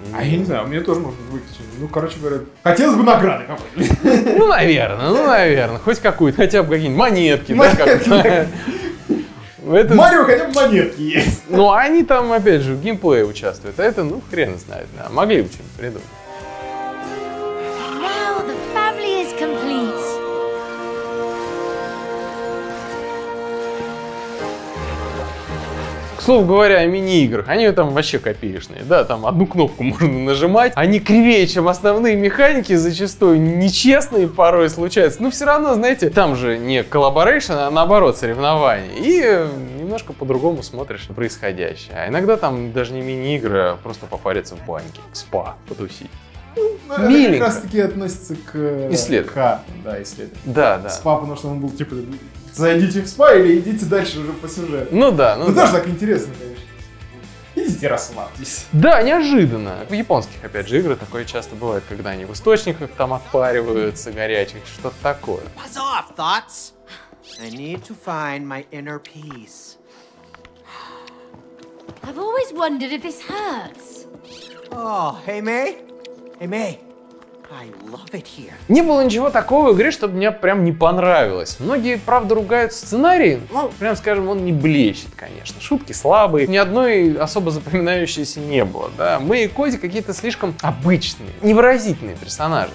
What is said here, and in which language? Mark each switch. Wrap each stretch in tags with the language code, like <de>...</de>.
<ru>А я не знаю, у меня тоже может быть выключены. Ну, короче говоря, хотелось бы награды какой-то. Ну, наверное. Хоть какую-то, хотя бы какие-нибудь монетки. Это... Марио хотя бы монетки есть. Ну, они там, опять же, в геймплее участвуют. А это, ну, хрен знает, да. Могли бы что-нибудь придумать.</ru> <en>Now the family is complete.</en> <ru>К слову говоря, о мини-играх. Они там вообще копеечные. Да, там одну кнопку можно нажимать. Они кривее, чем основные механики. Зачастую нечестные порой случаются. Но все равно, знаете, там же не коллаборейшн, а наоборот соревнование. И немножко по-другому смотришь на происходящее. А иногда там даже не мини-игры, а просто попариться в баньке, в спа, потусить. Миленько. Это как раз-таки относится к... Исследованию. Да, исследованию. Да, да. Спа, потому что он был типа... Зайдите в спа или идите дальше уже по сюжету. Ну да, ну это да. Тоже так интересно, конечно. Идите расслабьтесь. Да, неожиданно. В японских, опять же, играх такое часто бывает, когда они в источниках там отпариваются, горячих, что-то такое.</ru> <en>Pass off, thoughts. I need to find my inner peace. I've always wondered if this hurts. Oh, hey, May. Hey, May. I love it here.</en> <ru>Не было ничего такого в игре, чтобы мне прям не понравилось. Многие, правда, ругают сценарий, но, прям скажем, он не блещет, конечно. Шутки слабые, ни одной особо запоминающейся не было, да. Мы и Кози какие-то слишком обычные, невыразительные персонажи.</ru>